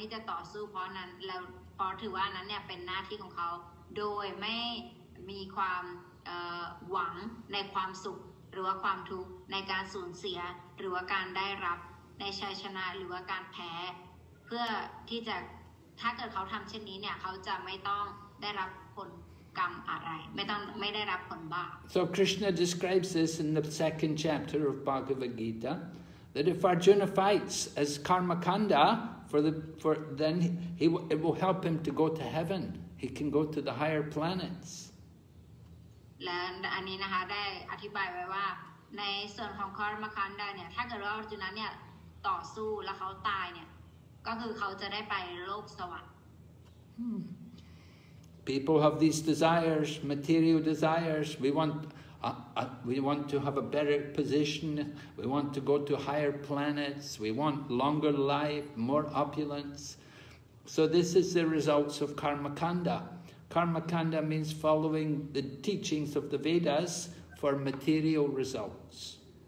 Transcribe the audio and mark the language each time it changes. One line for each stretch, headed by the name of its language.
Thai: เพราะถือว่านั้นเนี่ยเป็นหน้าที่ของเขาโดยไม่มีความหวังในความสุขหรือว่าความทุกข์ในการสูญเสียหรือว่าการได้รับในชัยชนะหรือว่าการแพ้เพื่อที่จะถ้าเกิดเขาทำเช่นนี้เนี่ยเขาจะไม่ต้องได้รับผลกรรมอะไรไม่ได้รับผลบาป
English: So Krishna describes this in the second chapter of Bhagavad Gita that if Arjuna fights as Karmakanda. It will help him to go to heaven. He can go to the higher planets. And
Thai: อันนี้นะคะได้อธิบายไว้ว่าในส่วนของคาร์มคันดาเนี่ยถ้าเกิดว่าอรจุนะเนี่ยต่อสู้แล้วเขาตายเนี่ยก็คือเขาจะได้ไปโลกสวรรค์
English: People have these desires, material desires. We want to have a better position. We want to go to higher planets. We want longer life, more opulence. So this is the results of karma kanda. Karmakanda means following the teachings of the Vedas for material results.